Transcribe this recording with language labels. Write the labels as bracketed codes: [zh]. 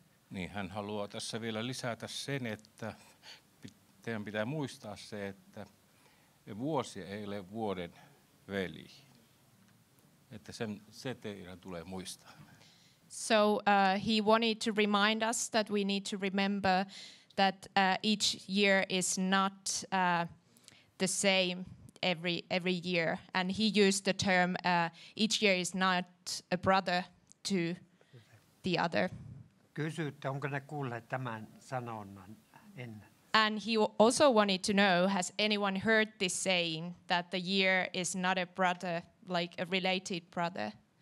[fi] Niin hän haluaa tässä vielä lisätä sen, että teidän pitää muistaa se, että vuosi ei ole vuoden veli. Että se teidän tulee muistaa. [en] So he wanted to remind us that we need to remember that each year is not the same every year, and he used the term each year is not a brother to the other. [fi] Kysytte, onko ne kuulleet tämän sanonnan ennen? [en] And he also wanted to know, has anyone heard this saying that the year is not a brother, like a related brother?